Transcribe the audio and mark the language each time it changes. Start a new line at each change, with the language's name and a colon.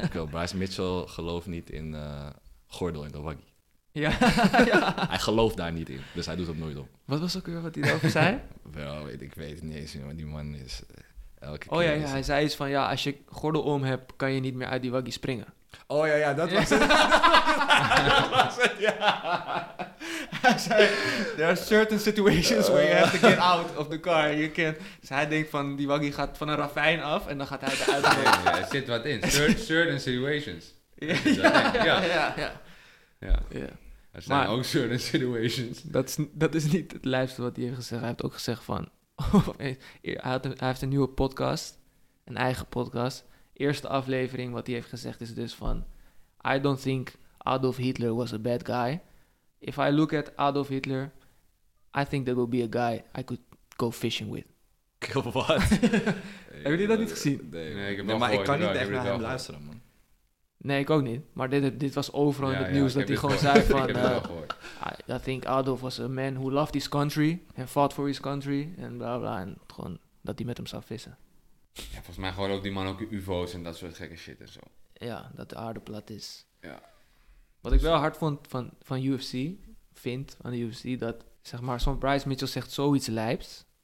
Dutch: Bryce Mitchell gelooft niet in gordel in de waggy. Ja. Hij gelooft daar niet in, dus hij doet dat nooit op. Wat was ook weer wat hij erover zei? Wel, ik weet het niet eens meer, maar die man is elke keer... Oh ja, hij zei iets van, ja, als je gordel om hebt, kan je niet meer uit die waggy springen. Oh ja, dat was het. Dat was het, ja. Hij zei,
English: there are certain situations where you have to get out of the car. You can't.
Dutch: Dus hij denkt van, die waggy gaat van een ravijn af en dan gaat hij eruit. Ja, er zit wat in.
English: Certain situations.
Dutch: Ja. Er zijn maar, ook
English: certain situations.
Dutch: Dat is niet het lijfste wat hij heeft gezegd. Hij heeft ook gezegd van, hij heeft een nieuwe podcast. Een eigen podcast. Eerste aflevering, wat hij heeft gezegd, is dus van...
English: I don't think Adolf Hitler was a bad guy. If I look at Adolf Hitler, I think there will be a guy I could go fishing with. Kill what?
Dutch: Hebben jullie dat niet gezien? Nee, ik kan niet echt naar hem luisteren, man. Nee, ik ook niet. Maar dit was overal in het nieuws dat hij gewoon zei van...
English: I think Adolf was a man who loved his country and fought for his country.
Dutch: En bla bla, en gewoon dat hij met hem zou vissen. Ja, volgens mij gewoon ook die man ook UFO's en dat soort gekke shit en zo. Ja, dat de aarde plat is. Ja. Wat dus ik wel hard vond van UFC, vind aan de UFC, dat zeg maar, soms Bryce Mitchell zegt zoiets lijps.